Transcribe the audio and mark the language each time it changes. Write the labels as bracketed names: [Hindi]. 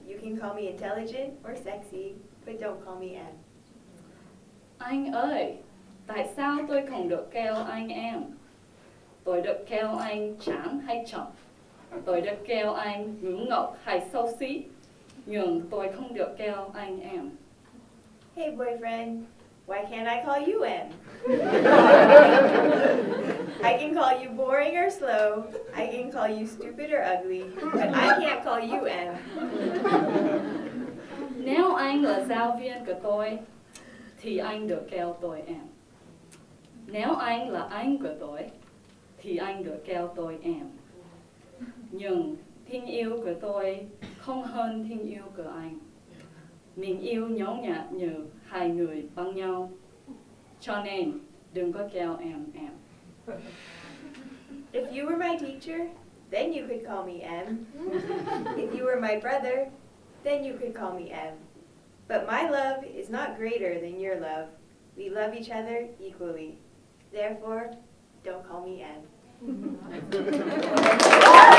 [English] You can call me intelligent or sexy, but don't call me em. [Vietnamese] Anh ơi, tại sao tôi không được kêu anh em? Tôi được kêu anh chán hay chậm. Tôi được kêu anh ngưỡng ngọc hay xấu xí. Nhưng tôi không được kêu anh em. [English] Hey boyfriend, why can't I call you em? I can call you boring or slow. I can call you stupid or ugly. But I can't call you em. [Vietnamese] Nếu anh là giáo viên của tôi, thì anh được kêu tôi em. Nếu anh là anh của tôi, thì anh được kêu tôi em. Nhưng tình yêu của tôi không hơn tình yêu của anh. Mình yêu nhỏ nhạt như hai người bằng nhau. Cho nên đừng có kêu em. [English] If you were my teacher, then you could call me em. If you were my brother, then you could call me em. But my love is not greater than your love. We love each other equally. Therefore, don't call me Ed.